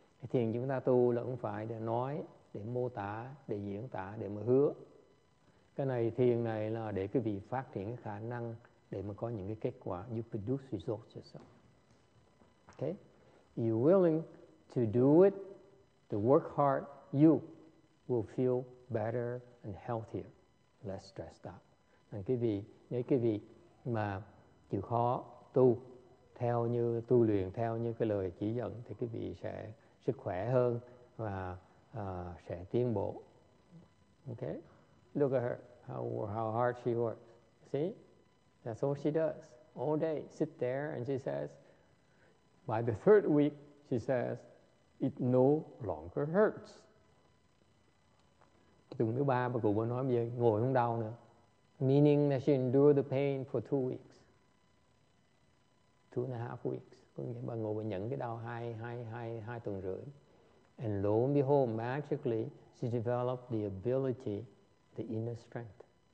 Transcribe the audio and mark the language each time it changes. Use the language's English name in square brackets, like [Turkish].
[Vietnamese] Thiền chúng ta tu là không phải để nói, để mô tả, để diễn tả, để mà hứa. Cái này, thiền này là để quý vị phát triển cái khả năng để mà có những cái kết quả. [English] You produce results yourself. Okay? You're willing to do it, to work hard, you will feel better and healthier, less stressed out. [Vietnamese] Nên quý vị, nếu quý vị mà chịu khó tu, theo như tu luyện, theo như cái lời chỉ dẫn, thì quý vị sẽ sức khỏe hơn và sẽ tiến bộ. [English] Okay, look at her, how hard she works. See, that's all she does all day. Sit there, and she says, by the third week, she says, it no longer hurts. [Vietnamese] Tuần thứ ba bà cụ bà nói bây giờ ngồi không đau nữa. [English] Meaning that she endured the pain for 2 weeks, 2.5 weeks. [Vietnamese] Có nghĩa bà ngồi bà nhận cái đau hai tuần rưỡi. [English] And lo and behold, magically, she developed the ability, the inner strength.